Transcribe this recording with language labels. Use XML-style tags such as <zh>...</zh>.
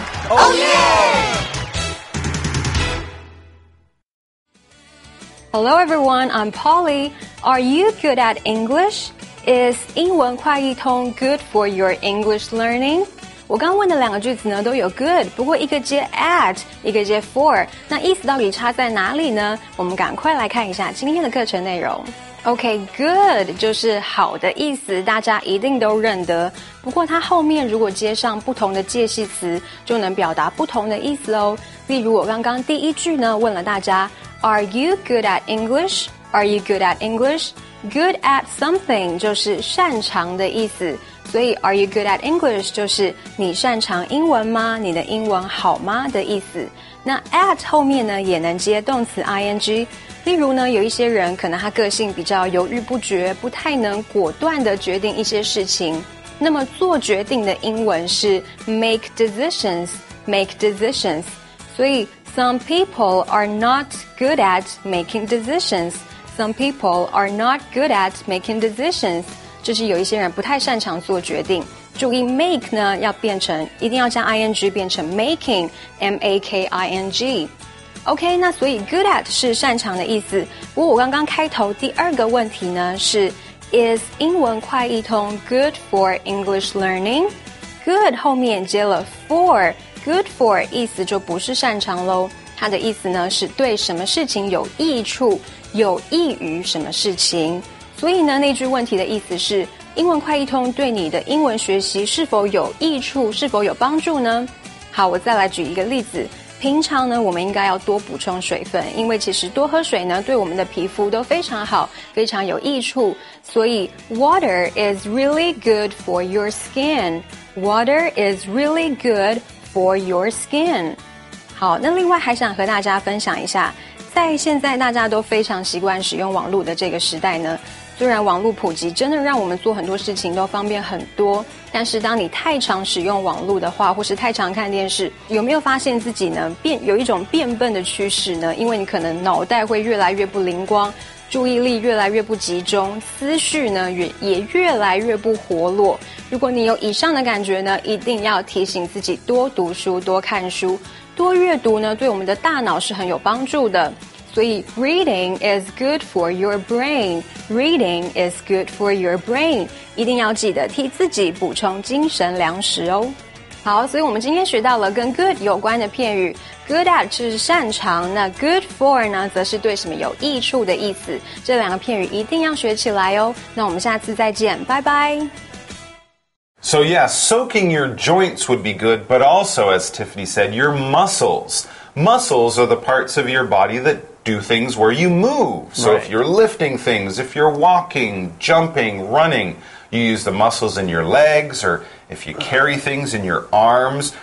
<en>Oh, yeah! Hello, everyone. I'm Polly. Are you good at English? Is 英文快译通 good for your English learning?</en> <zh>我刚问的两个句子呢都有 good, 不过一个接 at, 一个接 for, 那意思到底差在哪里呢？我们赶快来看一下今天的课程内容。OK, good 就是好的意思，大家一定都认得。不过它后面如果接上不同的介系词，就能表达不同的意思哦。例如我刚刚第一句呢问了大家 ,</zh> <en>Are you good at English? Are you good at English? Good at something</en> <zh>就是擅长的意思，所以</zh> <en>Are you good at English</en> <zh>就是你擅长英文吗？你的英文好吗的意思。那 at 后面呢也能接动词 ing， 例如呢有一些人可能他个性比较犹豫不决，不太能果断的决定一些事情，那么做决定的英文是 make decisions， make decisions。</zh> <en>所以 some people are not good at making decisions。 Some people are not good at making decisions.</en> <zh>就是有一些人不太擅长做决定。注意 make 呢要变成一定要将 ing 变成 making, M-A-K-I-N-G. OK, 那所以 good at 是擅长的意思。不过我刚刚开头第二个问题呢是</zh> <en>Is 英文快译通 good for English learning?</en> <zh>Good 后面接了 for, good for 意思就不是擅长咯。它的意思呢是对什么事情有益处，有益于什么事情。所以呢那句问题的意思是英文快译通对你的英文学习是否有益处，是否有帮助呢？好，我再来举一个例子。平常呢我们应该要多补充水分，因为其实多喝水呢对我们的皮肤都非常好，非常有益处。</zh> <en>所以 Water is really good for your skin. Water is really good for your skin.</en> <zh>好，那另外还想和大家分享一下，在现在大家都非常习惯使用网络的这个时代呢，虽然网络普及真的让我们做很多事情都方便很多，但是当你太常使用网络的话，或是太常看电视，有没有发现自己呢有一种变笨的趋势呢？因为你可能脑袋会越来越不灵光，注意力越来越不集中，思绪呢也越来越不活络。如果你有以上的感觉呢，一定要提醒自己多读书，多看书，多阅读呢对我们的大脑是很有帮助的。</zh> <en>所以 reading is good for your brain. Reading is good for your brain.</en> <zh>一定要记得替自己补充精神粮食哦。好，所以我们今天学到了跟 good 有关的片语。Good at 是擅长，那 good for 呢则是对什么有益处的意思。这两个片语一定要学起来哦。那我们下次再见，拜拜。</zh> <en>So yeah, soaking your joints would be good, but also, as Tiffany said, your muscles. Muscles are the parts of your body that do things where you move. So right. If you're lifting things, if you're walking, jumping, running, you use the muscles in your legs, or if you carry things in your arms.</en>